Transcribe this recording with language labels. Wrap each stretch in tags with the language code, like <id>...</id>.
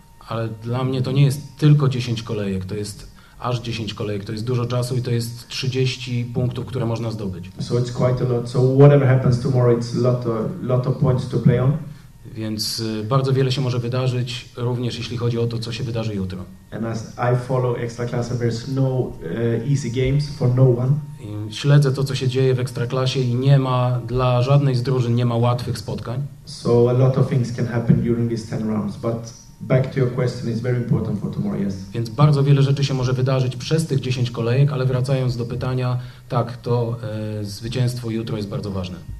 <pl>Ale dla mnie to nie jest tylko 10 kolejek, to jest aż 10 kolejek. To jest dużo czasu i to jest 30 punktów, które można zdobyć.</pl> <en>So it's quite a lot. So whatever happens tomorrow, it's a lot of points to play on.</en> <pl>Więc bardzo wiele się może wydarzyć, również jeśli chodzi o to, co się wydarzy jutro.</pl> <en>And as I follow Ekstraklasa, there's no easy games for no one.</en> <pl>I śledzę to, co się dzieje w Ekstraklasie i nie ma dla żadnej z drużyn nie ma łatwych spotkań.</pl> <en>So a lot of things can happen during these 10 rounds, but back to your question, it's very important for tomorrow, yes.</en> <pl>Więc bardzo wiele rzeczy się może wydarzyć przez tych 10 kolejek, ale wracając do pytania, tak, to zwycięstwo jutro jest bardzo ważne.</pl>